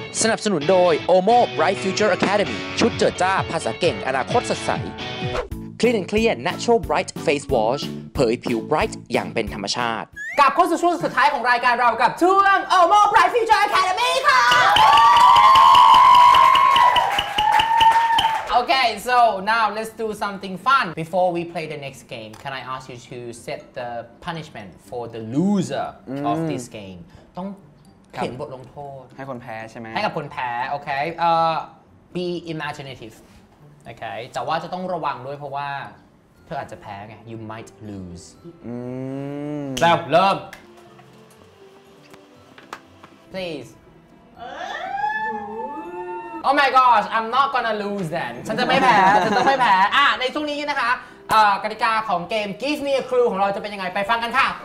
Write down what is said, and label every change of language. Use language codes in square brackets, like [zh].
[th] นับสนุนโดย OMO Bright Future Academy ชุดเจิดจ้าภาษาเก่งอนาคตสดใส Clean and Clear Natural Bright Face Wash เผยผิว Bright อย่างเป็นธรรมชาติ กับโค้ชช่วงสุดท้ายของรายการเรากับช่วง OMO Bright Future Academy ค่ะ [en] Okay, so now let's do something fun. Before we play the next game, can I ask you to set the punishment for the loser of this game? [th] ต้องเขียนบทลงโทษ ให้คนแพ้ใช่ไหม ให้กับคนแพ้ [en] okay. Be imaginative. Okay. [th] แต่ว่าจะต้องระวังด้วยเพราะว่าเธออาจจะแพ้ไง [en] You might lose. [th] แล้วเริ่ม Please. [en] Oh my gosh, I'm not gonna lose then. [th] ฉันจะไม่แพ้ฉันจะไม่แพ้อ่ะในช่วงนี้นะคะกติกาของเกม Give Me a Clue ของเราจะเป็นยังไงไปฟังกันค่ะ